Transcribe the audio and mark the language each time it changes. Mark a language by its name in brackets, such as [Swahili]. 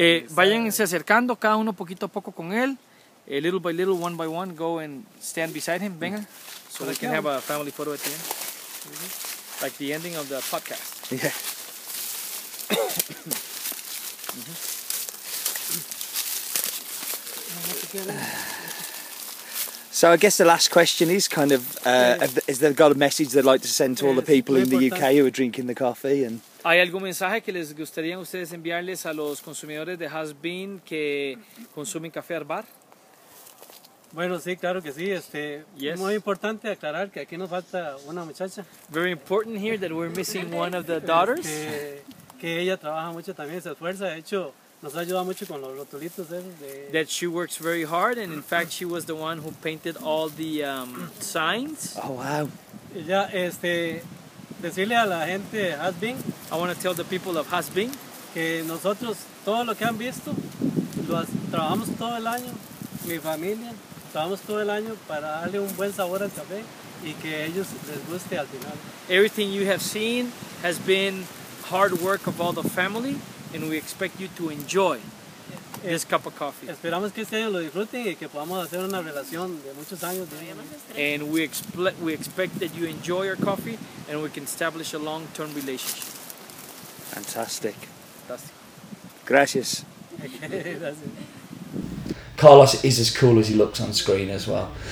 [Spanish] Váyanse acercando cada uno poquito a poco con él. [English] Little by little, one by one, go and stand beside him. [Spanish] Venga. [English] So we can have a family photo at the end. Mm-hmm. Like the ending of the podcast. Yeah. So I guess the last question is kind of, has they got a message they'd like to send to all the people in the UK who are drinking the coffee and... [Spanish] ¿Hay algún mensaje que les gustaría ustedes enviarles a los consumidores de Has Been que consumen café Arbar? Bueno, sí, claro que sí. [English] Yes. [Spanish] Muy importante aclarar que aquí nos falta una muchacha. [English] Very important here that we're missing one of the daughters. [Spanish] Que ella trabaja mucho también, se esfuerza. De hecho, nos ha ayudado mucho con los rotulitos. [English] That she works very hard, and in fact, she was the one who painted all the signs. Oh, wow. [Spanish] Ya, decirle a la gente de Has Been. [English] I want to tell the people of Has Been. [Spanish] Que nosotros, todo lo que han visto, trabajamos todo el año. Mi familia, trabajamos todo el año para darle un buen sabor al café y que ellos les guste al final. [English] Everything you have seen has been hard work of all the family, and we expect you to enjoy this cup of coffee. [Spanish] Esperamos que este año lo disfruten y que podamos hacer una relación de muchos años. [English] And we expect that you enjoy your coffee and we can establish a long-term relationship. Fantastic. Fantastic. [Spanish] Gracias. Gracias. [English] Carlos is as cool as he looks on screen as well.